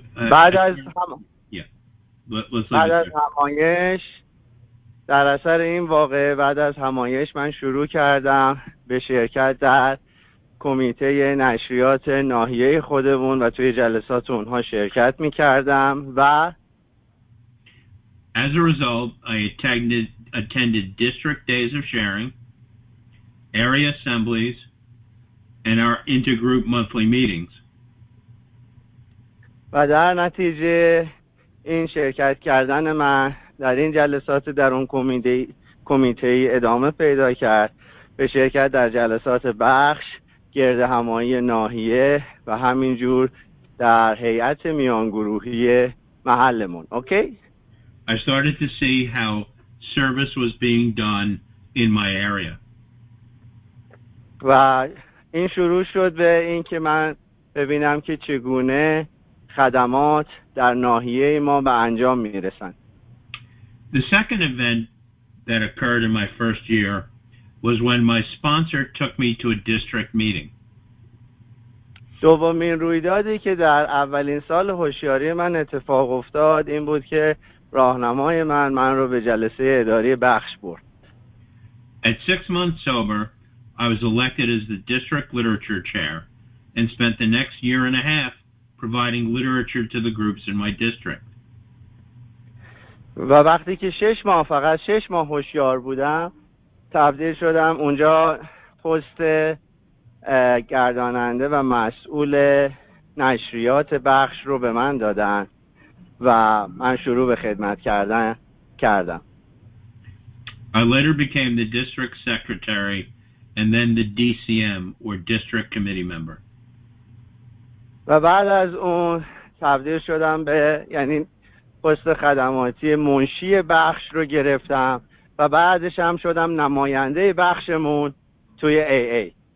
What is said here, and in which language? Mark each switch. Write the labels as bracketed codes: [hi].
[fa] بعد از همایش من شروع کردم به شرکت در کمیته نشریات ناحیه خودمون و توی جلسات اونها شرکت می‌کردم و [en] As a result, I attended district days of sharing, area assemblies, and our intergroup monthly meetings. [fa] و در نتیجه این شرکت کردن من در این جلسات در اون کمیته ادامه پیدا کرد به شرکت در جلسات بخش گرد همایی ناحیه و همین جور در هیئت میانگروهی محلمون. [en] Okay? I started to see how service was being done in my area. [fa] و این شروع شد به اینکه من ببینم که چگونه خدمات در ناحیه ما به انجام میرسن. [en] The second event that occurred in my first year was when my sponsor took me to a district meeting. [fa] دومین رویدادی که در اولین سال هوشیاری من اتفاق افتاد این بود که راهنمای من رو به جلسه اداری بخش برد. [en] At 6 months sober, I was elected as the district literature chair and spent the next year and a half providing literature to the groups in my district. [fa] و وقتی که 6 ماه فقط 6 ماه هوشیار بودم تبدیل شدم اونجا پست گرداننده و مسئول نشریات بخش رو به من دادن و من شروع به خدمت کردن کردم. [en] I later became the district secretary and then the DCM or district committee member. [fa] و بعد از اون تبدیل شدم به یعنی پست خدماتی منشی بخش رو گرفتم و بعدش هم شدم نماینده بخشمون توی AA.